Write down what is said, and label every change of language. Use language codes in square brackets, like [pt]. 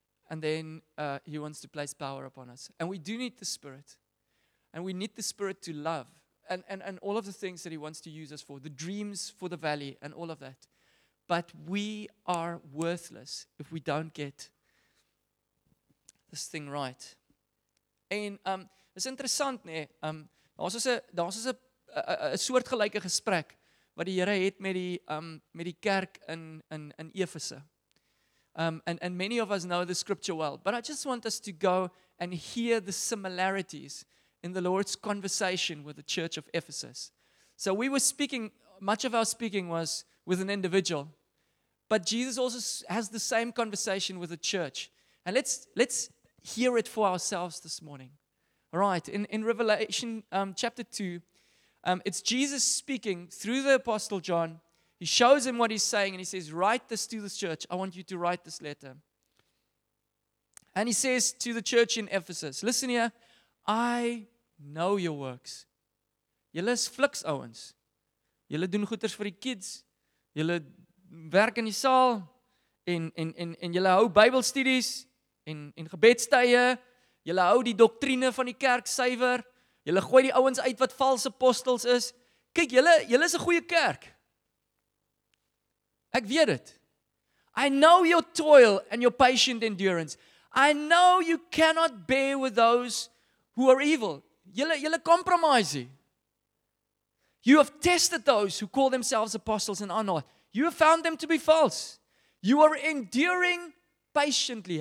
[en] And then he wants to place power upon us. And we do need the Spirit. And we need the Spirit to love. And all of the things that he wants to use us for. The dreams for the valley and all of that. But we are worthless if we don't get this thing right. [af] En is interessant, nee. Daar is 'n soortgelyke gesprek wat die Here het met die kerk in Efese. [en] And many of us know the scripture well, but I just want us to go and hear the similarities in the Lord's conversation with the church of Ephesus. So we were speaking, much of our speaking was with an individual, but Jesus also has the same conversation with the church. And let's hear it for ourselves this morning. All right, in Revelation chapter 2, it's Jesus speaking through the Apostle John. He shows him what he's saying, and he says, write this to this church. I want you to write this letter. And he says to the church in Ephesus, listen here, I know your works. [af] Julle is fliks, ouens. Julle doen goeders vir die kids. Julle werk in die saal. En julle hou Bybelstudies en gebedstye. Julle hou die doktrine van die kerk suiwer. Julle gooi die ouens uit wat valse apostels is. Kyk, julle is 'n goeie kerk. Ek weet dit. [en] I know your toil and your patient endurance. I know you cannot bear with those who are evil. [af] Julle compromise. [en] You have tested those who call themselves apostles and are not. You have found them to be false. You are enduring patiently.